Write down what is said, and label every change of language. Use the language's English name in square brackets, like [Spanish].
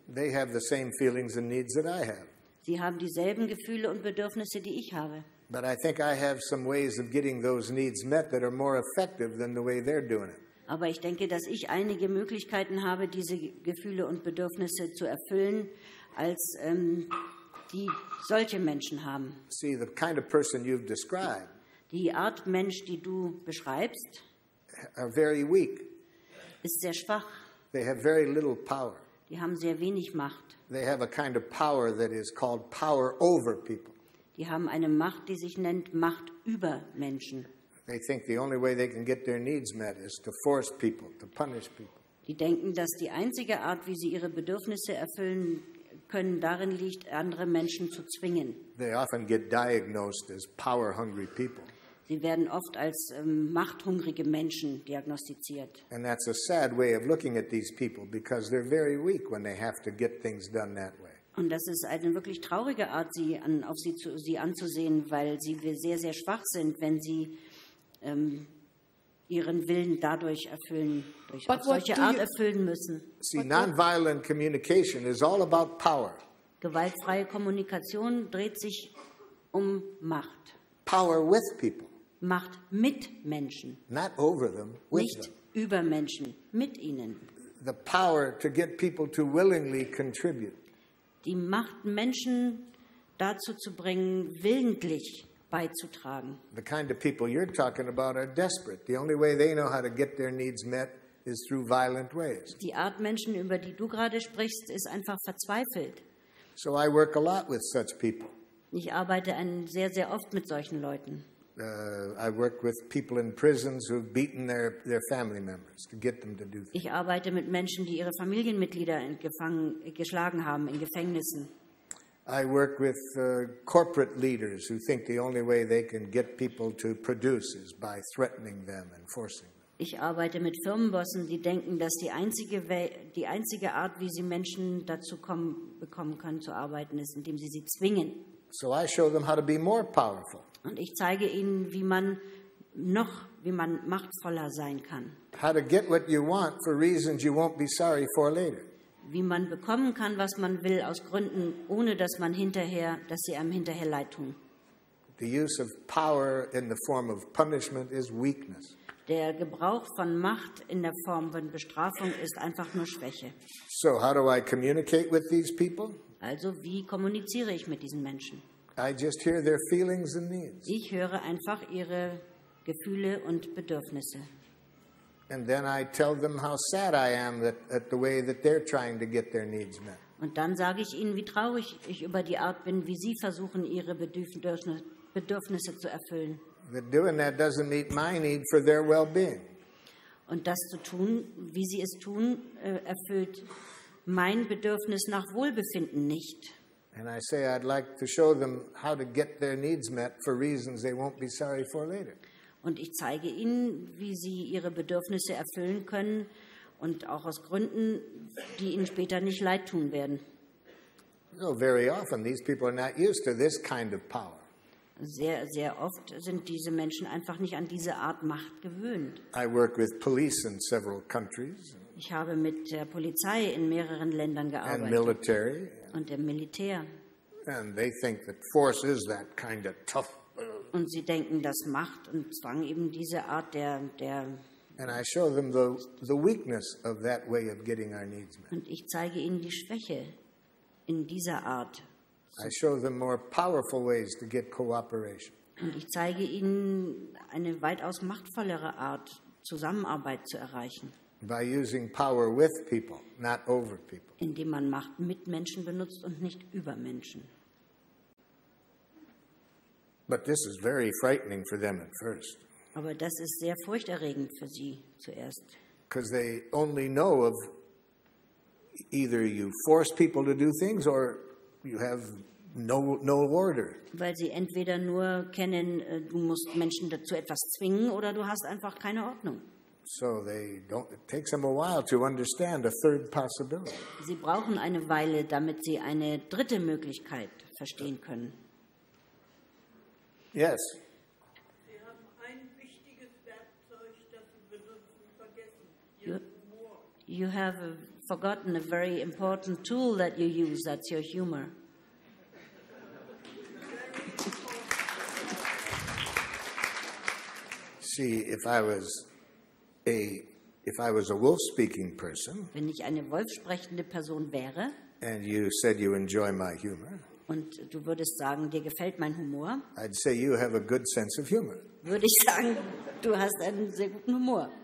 [English] They have the same feelings and needs that I have. [German] Sie haben dieselben Gefühle und Bedürfnisse, die ich habe. [English] But I think I have some ways of getting those needs met that are more effective than the way they're doing it. [German] Aber ich denke, dass ich einige Möglichkeiten habe, diese Gefühle und Bedürfnisse zu erfüllen, als die solche Menschen haben. [English] See, the kind of person you've described. [German] Die Art Mensch, die du beschreibst, [English] are very weak. [German] Ist sehr schwach. [English] They have very little power. [German] Die haben sehr wenig Macht. [English] They have a kind of power that is called power over people. [German] Die haben eine Macht, die sich nennt Macht über Menschen. [English] They think the only way they can get their needs met is to force people, to punish people. [German] Die denken, dass die einzige Art, wie sie ihre Bedürfnisse erfüllen können, darin liegt, andere Menschen zu zwingen. [English] They often get diagnosed as power hungry people. [German] Sie werden oft als machthungrige Menschen diagnostiziert. [English] And that's a sad way of looking at these people because they're very weak when they have to get things done that way. [German] Und das ist eine wirklich traurige Art, sie anzusehen, weil sie sehr, sehr schwach sind, wenn sie ihren Willen dadurch erfüllen, durch auf solche Art erfüllen müssen. [English] See, non-violent communication is all about power. [German] Gewaltfreie Kommunikation dreht sich um Macht. [English] Power with people. [German] Macht mit Menschen. [English] Not over them, with [German] Nicht [English] them. [German] Über Menschen, mit ihnen. [English] The power to get people to willingly contribute. [German] Die Macht, Menschen dazu zu bringen, willentlich beizutragen. [English] The kind of people you're talking about are desperate. The only way they know how to get their needs met is through violent ways. [German] Die Art Menschen, über die du gerade sprichst, ist einfach verzweifelt. [English] So I work a lot with such people. [German] Ich arbeite sehr, sehr oft mit solchen Leuten. [English] I work with people in prisons who've beaten their family members to get them to do things. [German] Ich arbeite mit Menschen, die ihre Familienmitglieder geschlagen haben in Gefängnissen. [English] I work with corporate leaders who think the only way they can get people to produce is by threatening them and forcing them. [German] Ich arbeite mit Firmenbossen, die denken, dass die einzige Art, wie sie Menschen dazu bekommen können zu arbeiten, ist, indem sie sie zwingen. [English] So I show them how to be more powerful. [German] Und ich zeige ihnen, wie man machtvoller sein kann. [English] How to get what you want for reasons you won't be sorry for later. [German] wie man bekommen kann, was man will, aus Gründen, ohne dass man hinterher, dass sie einem hinterher leid tun. [English] The use of power in the form of punishment is weakness. [German] Der Gebrauch von Macht in der Form von Bestrafung ist einfach nur Schwäche. [English] So how do I communicate with these people? [German] Also, wie kommuniziere ich mit diesen Menschen? [English] I just hear their feelings and needs. [German] Ich höre einfach ihre Gefühle und Bedürfnisse. [English] And then I tell them how sad I am at the way that they're trying to get their needs met. [German] Und dann sage ich ihnen, wie traurig ich über die Art bin, wie sie versuchen, ihre Bedürfnisse zu erfüllen. [English] That doing that doesn't meet my need for their well-being. [German] Und das zu tun, wie sie es tun, erfüllt mein Bedürfnis nach Wohlbefinden nicht. [English] And I say I'd like to show them how to get their needs met for reasons they won't be sorry for later. [German] Und ich zeige ihnen, wie sie ihre Bedürfnisse erfüllen können und auch aus Gründen, die ihnen später nicht leid tun werden. [English] So very often these people are not used to this kind of power. [German] Sehr, sehr oft sind diese Menschen einfach nicht an diese Art Macht gewöhnt. [English] I work with police in several countries. [German] Ich habe mit der Polizei in mehreren Ländern gearbeitet. [English] And military. [German] Und dem Militär. [English] And they think that force is that kind of tough. [German] Und sie denken, dass Macht und Zwang eben diese Art der, der [English] And I show them the weakness of that way of getting our needs met. [German] Und ich zeige ihnen die Schwäche in dieser Art. [English] I show them more powerful ways to get cooperation. [German] Und ich zeige ihnen eine weitaus machtvollere Art, Zusammenarbeit zu erreichen. [English] By using power with people, not over people. [German] Indem man Macht mit Menschen benutzt und nicht über Menschen. [English] But this is very frightening for them at first. [German] Aber das ist sehr furchterregend für sie zuerst. [English] Because they only know of either you force people to do things or you have no order. [German] Weil sie entweder nur kennen, du musst Menschen dazu etwas zwingen oder du hast einfach keine Ordnung. [English] So they don't, it takes them a while to understand a third possibility. [German] Sie brauchen eine Weile, damit sie eine dritte Möglichkeit verstehen können. [English] Yes. [German] Sie haben ein wichtiges Werkzeug, das Sie benutzen, vergessen. [English] You have forgotten a very important tool that you use, that's your humor. See, if I was a wolf speaking person, [German] wenn ich eine wolf sprechende Person wäre, [English] and you said you enjoy my humor. [German] Und du würdest sagen, dir gefällt mein Humor. [English] I'd say you have a good sense of humor. [German] Würde ich sagen, du hast einen sehr guten Humor.